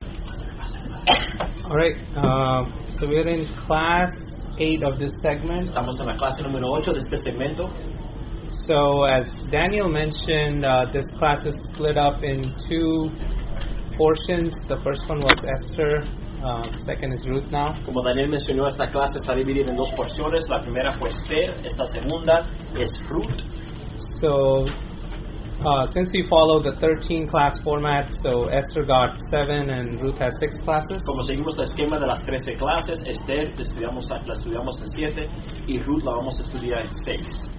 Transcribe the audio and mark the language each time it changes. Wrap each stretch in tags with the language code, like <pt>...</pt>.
<en>All right, so we are in class 8 of this segment.</en> <es>Estamos en la clase número 8 de este segmento.</es> <en>So as Daniel mentioned, this class is split up in two portions. The first one was Esther, the second is Ruth now.</en> <es>Como Daniel mencionó, esta clase está dividida en dos porciones. La primera fue Esther, esta segunda es Ruth.</es> <en>So since we follow the 13 class format, so Esther got 7 and Ruth has 6 classes.</en> <es>Como seguimos el esquema de las 13 clases, Esther la estudiamos en 7 y Ruth la vamos a estudiar en 6.</es>